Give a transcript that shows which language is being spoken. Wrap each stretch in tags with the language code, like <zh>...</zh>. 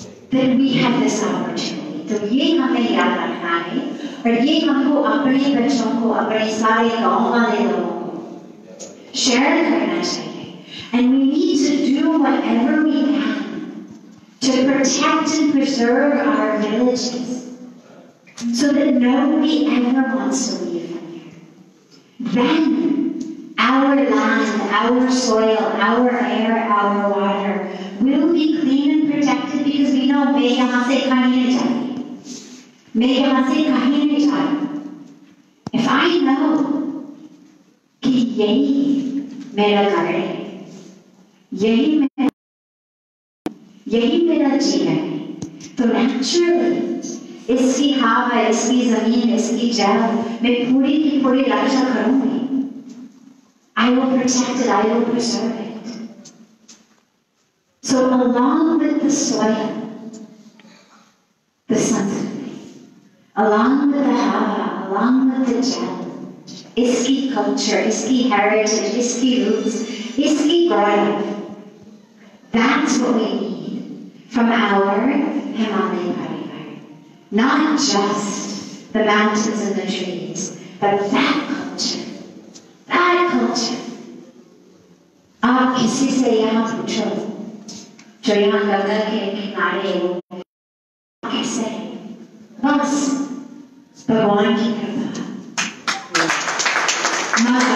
<en>That we have this opportunity. So,</en> <hi>ये हमें याद रखना है और ये हमको अपने बच्चों को अपने सारे गांव वाले लोगों को शेयर करना चाहिए</hi> <en>And we need to do whatever we can to protect and preserve our villages so that nobody ever wants to leave from here. Then, our land, our soil, our air, our water will be clean and protected because we know</en> <hi>मैं यहाँ से कहीं नहीं जाऊँ</hi> <en>मैं यहाँ से कहीं नहीं जाऊँ If I know</en> <hi>कि यही मेरा घर है यही मेरा जीवन है तो naturally इसकी हवा इसकी जमीन इसकी जल मैं पूरी की पूरी रक्षा करूँगी</hi> <en>I will protect it, I will preserve it. So along with the soil, the sanskriti, along with the hava, along with the jal,</en> <hi>iski culture, iski heritage, iski roots, iski gaurav,</hi> <en>that's what we need from our Himalayan paripari. Not just the mountains and the trees, but that culture. That culture.</en> <hi>आप किसी से यहाँ पूछो जो यहाँ गंगा के किनारे हो कैसे बस भगवान की कृपा</hi>